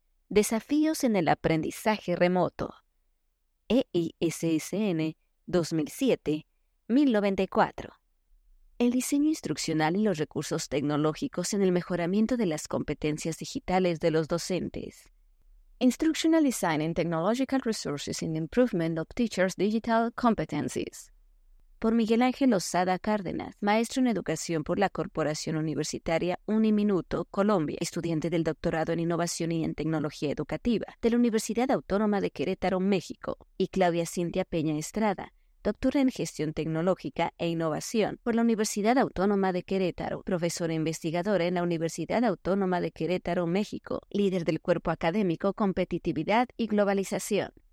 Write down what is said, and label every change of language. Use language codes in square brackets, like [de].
[es] Desafíos en el aprendizaje remoto. EISSN 2007-1094. El diseño instruccional y los recursos tecnológicos en el mejoramiento de las competencias digitales de los docentes. [en] Instructional Design and Technological Resources in Improvement of Teachers' Digital Competencies. [es] Por Miguel Ángel Lozada Cárdenas, maestro en educación por la Corporación Universitaria Uniminuto, Colombia, estudiante del doctorado en Innovación y en Tecnología Educativa de la Universidad Autónoma de Querétaro, México, y Claudia Cintia Peña Estrada, doctora en Gestión Tecnológica e Innovación por la Universidad Autónoma de Querétaro, profesora investigadora en la Universidad Autónoma de Querétaro, México, líder del Cuerpo Académico Competitividad y Globalización.